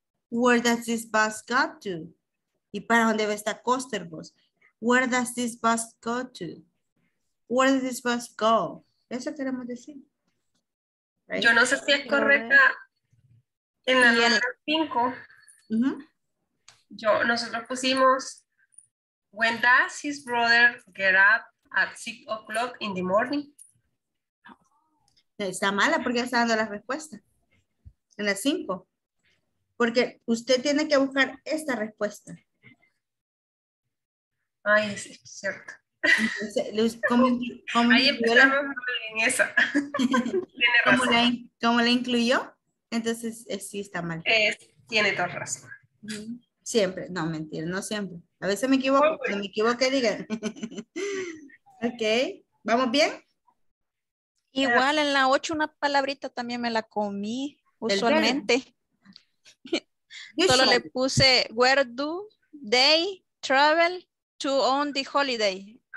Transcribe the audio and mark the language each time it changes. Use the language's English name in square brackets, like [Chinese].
[English] Where does this bus go to? [Spanish] ¿Y para dónde va esta coaster bus? [English] Where does this bus go to? Where does this bus go? [Spanish] Eso queremos decir. [English] Right. [Spanish] Yo no sé si es correcta en la número 5. Uh-huh. Nosotros pusimos [English] when does his brother get up at 6 o'clock in the morning? [Spanish] Está mala porque está dando la respuesta. En la 5. Porque usted tiene que buscar esta respuesta. Ay, es cierto. Entonces, ¿cómo ahí empezamos en esa. ¿Cómo la incluyó? Entonces, sí está mal. Tiene toda razón. Siempre. No, mentira, no siempre. A veces me equivoco. Oh, bueno. Me equivoqué, digan. Ok. ¿Vamos bien? Igual, en la 8 una palabrita también me la comí. Usualmente. Solo le puse [English] where do they travel to on the holiday.